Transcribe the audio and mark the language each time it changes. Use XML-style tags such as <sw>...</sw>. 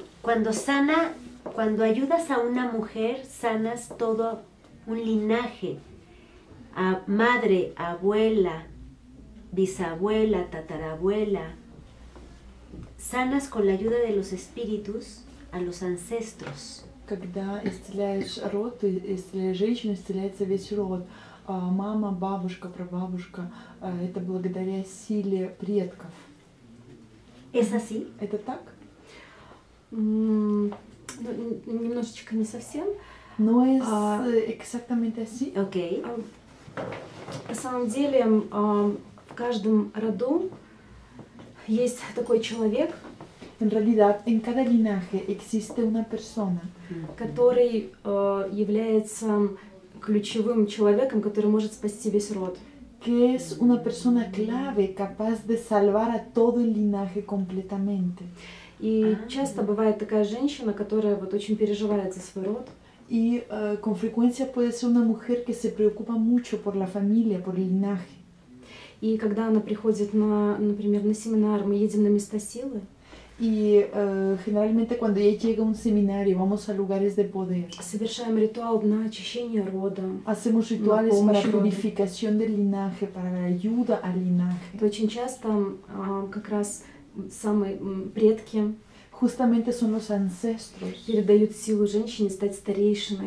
<es>Cuando ayudas a una mujer, sanas todo un linaje. A madre, abuela, bisabuela, tatarabuela. Sanas con la ayuda de los espíritus a los ancestros.</es> <ru>Когда исцеляешь род, ты исцеляешь женщину, исцеляется весь род. Мама, бабушка, прабабушка, это благодаря силе предков. Это</ru> <es>así?</es> <ru>Это так? Немножечко не совсем. Но это</ru> <es>exactamente así.</es> <ru>Окей. На самом деле, в каждом роду есть такой человек.</ru> <es>En realidad, en cada linaje existe una persona.</es> <ru>Который является ключевым человеком, который может спасти весь род.</ru> <es>Que es una persona clave, capaz de salvar a todo el linaje completamente.</es> <ru>И часто бывает такая женщина, которая вот очень переживает за свой род.</ru> <es>Y con frecuencia puede ser una mujer que se preocupa mucho por la familia, por el linaje.</es> <ru>И когда она приходит на, например, на семинар, мы едем на место силы.</ru> <es>Y generalmente cuando ella llega a un seminario, vamos a lugares de poder.</es> <ru>Совершаем ритуал на очищение рода.</ru> <es>Hacemos rituales para purificación del linaje, para la ayuda al linaje.</es> <ru>То очень часто как раз самые предки.</ru> <es>Justamente son los ancestros.</es> <ru>Передают силу женщине стать старейшиной.</ru>